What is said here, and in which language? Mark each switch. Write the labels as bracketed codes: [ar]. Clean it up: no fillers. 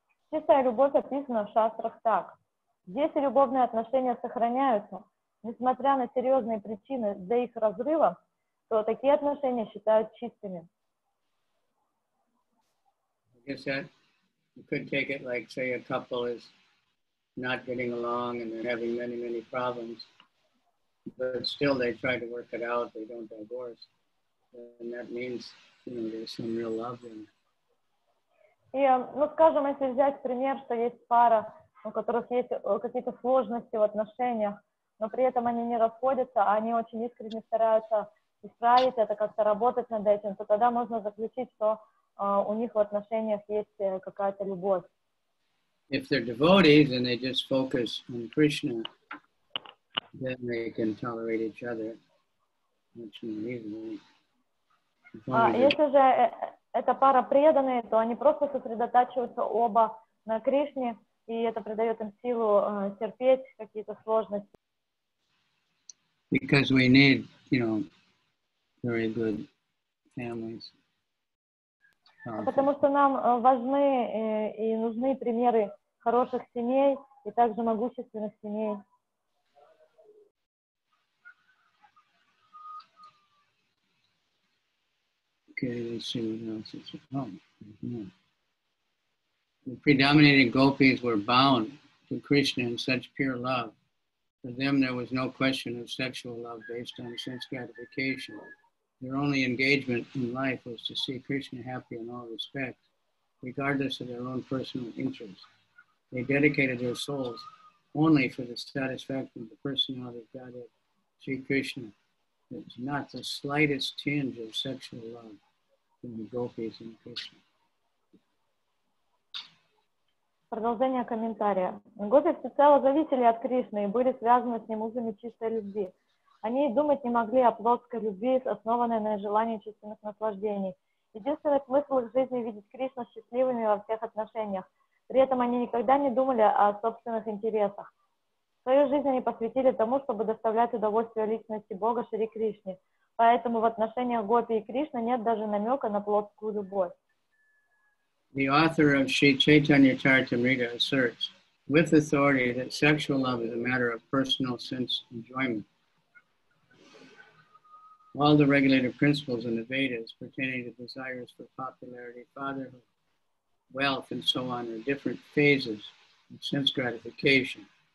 [ru] Чистая любовь описана в шастрах так. Если любовные отношения сохраняются, несмотря на серьезные причины для их разрыва, то такие отношения считают чистыми. [en] I guess that you could take it like, say, a couple is not getting along and they're having many, many problems. But still they try to work it out, they don't divorce. And that means, you know, there's some real love in it. [ru] И, ну, скажем, если взять пример, что есть пара, у которых есть какие-то сложности в отношениях, но при этом они не расходятся, а они очень искренне стараются исправить это, как-то работать над этим, то тогда можно заключить, что у них в отношениях есть какая-то любовь. [en] If they're devotees and they just focus on Krishna, then they can tolerate each other much more easily. [ru] Если же эта пара преданные, то они просто сосредотачиваются оба на Кришне, и это придает им силу терпеть какие-то сложности. [en] Because we need, you know, very good families. [ru] Потому что нам важны и нужны примеры хороших семей и также могущественных семей. [en] Okay, let's see what else is wrong. The predominating gopis were bound to Krishna in such pure love. For them, there was no question of sexual love based on sense gratification. Their only engagement in life was to see Krishna happy in all respects, regardless of their own personal interests. They dedicated their souls only for the satisfaction of the personality of Godhead, Sri Krishna. There's not the slightest tinge of sexual love in the gopis and Krishna. [ru] Продолжение комментария. Гопи всецело зависели от Кришны и были связаны с ним узами чистой любви. Они и думать не могли о плотской любви, основанной на желании чувственных наслаждений. Единственный смысл их жизни — видеть Кришну счастливыми во всех отношениях. При этом они никогда не думали о собственных интересах. Свою жизнь они посвятили тому, чтобы доставлять удовольствие личности Бога Шри Кришне. Поэтому в отношениях Гопи и Кришны нет даже намека на плотскую любовь. [en] The author of Sri Chaitanya Charitamrita asserts with authority that sexual love is a matter of personal sense enjoyment. All the regulative principles in the Vedas pertaining to desires for popularity, fatherhood, wealth, and so on are different phases of sense gratification.